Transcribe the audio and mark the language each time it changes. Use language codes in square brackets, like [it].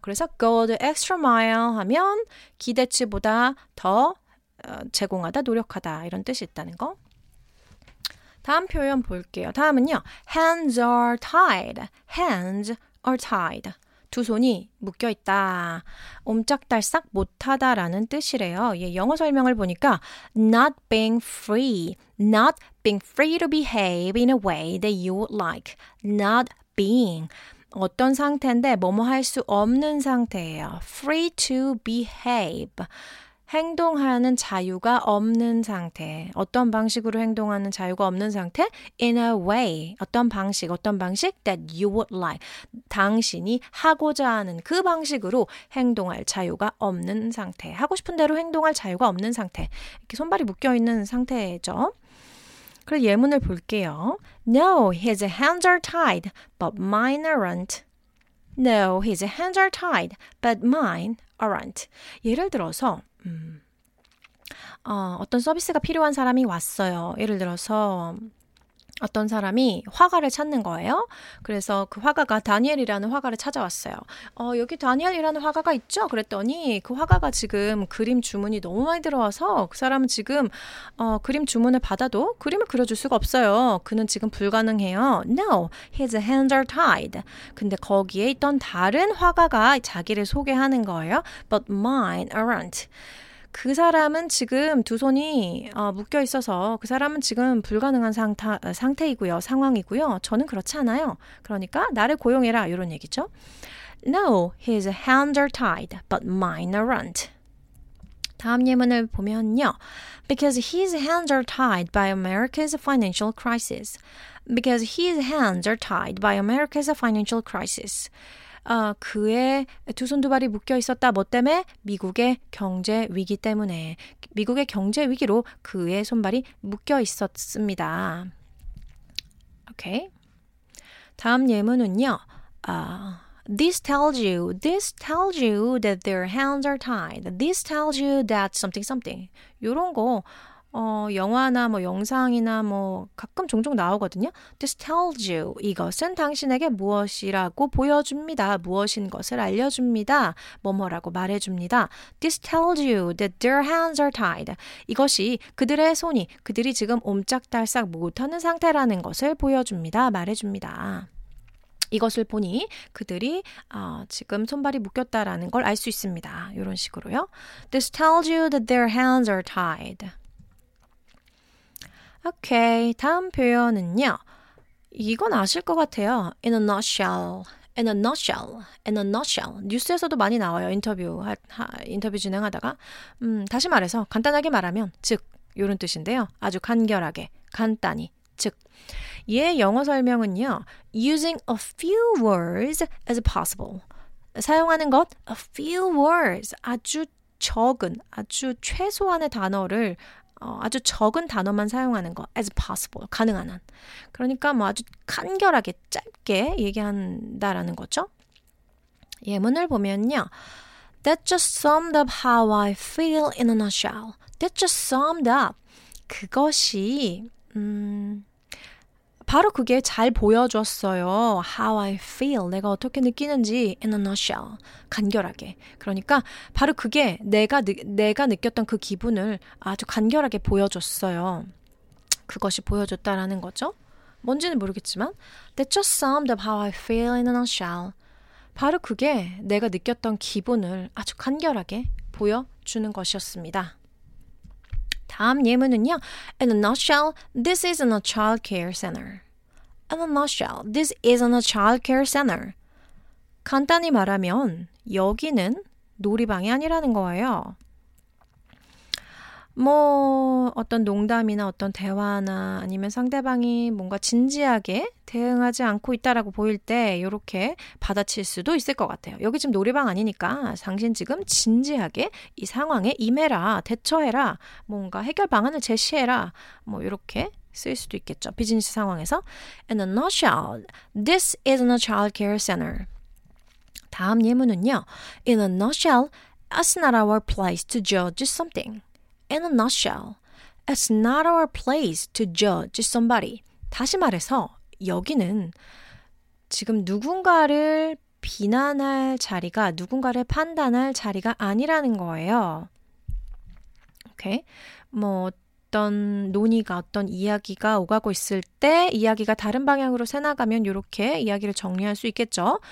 [ko] 그래서 [en] go the extra mile [ko] 하면 기대치보다 더 제공하다, 노력하다 이런 뜻이 있다는 거. 다음 표현 볼게요. 다음은요. [en] Hands are tied. Hands are tied. [ko] 두 손이 묶여있다. 옴짝달싹 못하다라는 뜻이래요. 예, 영어 설명을 보니까 [en] not being free. Not being free to behave in a way that you would like. Not being. [ko] 어떤 상태인데 뭐뭐 할 수 없는 상태예요. [en] Free to behave. [ko] 행동하는 자유가 없는 상태. 어떤 방식으로 행동하는 자유가 없는 상태? [en] In a way. [ko] 어떤 방식? [en] That you would like. [ko] 당신이 하고자 하는 그 방식으로 행동할 자유가 없는 상태. 하고 싶은 대로 행동할 자유가 없는 상태. 이렇게 손발이 묶여있는 상태죠. 그래서 예문을 볼게요. [en] No, his hands are tied, but mine aren't. No, his hands are tied, but mine aren't. [ko] 예를 들어서 어떤 서비스가 필요한 사람이 왔어요. 예를 들어서 어떤 사람이 화가를 찾는 거예요. 그래서 그 화가가 다니엘이라는 화가를 찾아왔어요. 여기 다니엘이라는 화가가 있죠? 그랬더니 그 화가가 지금 그림 주문이 너무 많이 들어와서 그 사람은 지금 그림 주문을 받아도 그림을 그려줄 수가 없어요. 그는 지금 불가능해요. [en] No, his hands are tied. [ko] 근데 거기에 있던 다른 화가가 자기를 소개하는 거예요. [en] But mine aren't. [ko] 그 사람은 지금 두 손이 묶여 있어서 그 사람은 지금 불가능한 상태이고요. 상황이고요. 저는 그렇지 않아요. 그러니까 나를 고용해라. 이런 얘기죠. [en] No, his hands are tied, but mine aren't. [ko] 다음 예문을 보면요. [en] Because his hands are tied by America's financial crisis. Because his hands are tied by America's financial crisis. [ko] 그의 두 손 두 발이 묶여 있었다. 뭐 때문에? 미국의 경제 위기 때문에. 미국의 경제 위기로 그의 손발이 묶여 있었습니다. 오케이. 다음 예문은요. [en] This tells you that their hands are tied. This tells you that something something. [ko] 이런 거 영화나 뭐 영상이나 뭐 가끔 종종 나오거든요. [en] This tells you. [ko] 이것은 당신에게 무엇이라고 보여줍니다. 무엇인 것을 알려줍니다. 뭐뭐라고 말해줍니다. [en] This tells you that their hands are tied. [ko] 이것이 그들의 손이 그들이 지금 옴짝달싹 못하는 상태라는 것을 보여줍니다. 말해줍니다. 이것을 보니 그들이 지금 손발이 묶였다라는 걸 알 수 있습니다. 이런 식으로요. [en] This tells you that their hands are tied. [ko] 오케이, 다음 표현은요. 이건 아실 것 같아요. [en] In a nutshell, in a nutshell, in a nutshell. [ko] 뉴스에서도 많이 나와요. 인터뷰 진행하다가. 다시 말해서 간단하게 말하면, 즉, 이런 뜻인데요. 아주 간결하게, 간단히, 즉. 얘 영어 설명은요. [en] Using a few words as possible. [ko] 사용하는 것, [en] a few words. [ko] 아주 적은, 아주 최소한의 단어를 아주 적은 단어만 사용하는 거 [en] as possible, [ko] 가능한 한. 그러니까 뭐 아주 간결하게 짧게 얘기한다라는 거죠. 예문을 보면요. [en] That just summed up how I feel in a nutshell. That just summed up. [ko] 그것이 바로 그게 잘 보여줬어요. [en] How I feel. [ko] 내가 어떻게 느끼는지 [en] in a nutshell. [ko] 간결하게. 그러니까 바로 그게 내가 느꼈던 그 기분을 아주 간결하게 보여줬어요. 그것이 보여줬다라는 거죠. 뭔지는 모르겠지만 [en] That just summed up how I feel in a nutshell. [ko] 바로 그게 내가 느꼈던 기분을 아주 간결하게 보여주는 것이었습니다. 다음 예문은요. [en] In a nutshell, this isn't a child care center. In a nutshell, this isn't a child care center. [ko] 간단히 말하면 여기는 놀이방이 아니라는 거예요. 뭐 어떤 농담이나 어떤 대화나 아니면 상대방이 뭔가 진지하게 대응하지 않고 있다라고 보일 때 이렇게 받아칠 수도 있을 것 같아요. 여기 지금 놀이방 아니니까 당신 지금 진지하게 이 상황에 임해라, 대처해라, 뭔가 해결 방안을 제시해라 뭐 이렇게 쓸 수도 있겠죠. 비즈니스 상황에서 [en] In a nutshell, this isn't a child care center. [ko] 다음 예문은요. [en] In a nutshell, it's not our place to judge something. In a nutshell, it's not our place to judge somebody. [ko] 다시 말해서 여기는 지금 누군가를 비난할 자리가 누군가를 판단할 자리가 아니라는 거예요. 오케이? 뭐 어떤 논의가 어떤 이야기가 오가고 있을 때 이야기가 다른 방향으로 새나가면 이렇게 이야기를 정리할 수 있겠죠.